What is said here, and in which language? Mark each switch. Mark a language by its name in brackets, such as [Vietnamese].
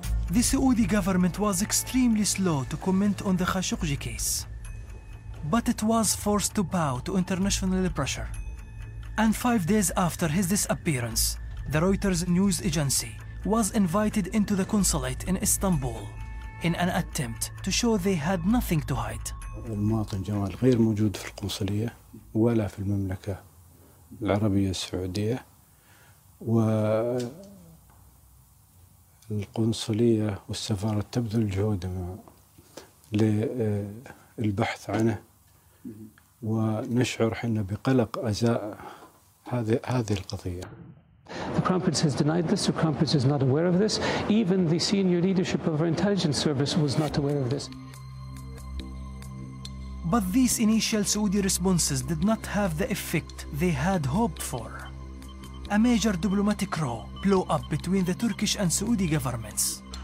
[English] The Saudi government was extremely slow to comment on the Khashoggi case. But it was forced to bow to international pressure. And 5 days after his disappearance, the Reuters news agency was invited into the consulate in Istanbul in an attempt to show they had nothing to hide. [Arabic] المواطن جمال غير موجود في القنصلية ولا في المملكة العربية السعودية والقنصلية والسفارة تبذل جهود للبحث عنه، ونشعر حنا بقلق أزاء هذه القضية. [English] The Crown Prince has denied this. The Crown Prince is not aware of this. Even the senior leadership of our intelligence service was not aware of this. But these initial Saudi responses did not have the effect they had hoped for. A major diplomatic row blew up between the Turkish and Saudi governments.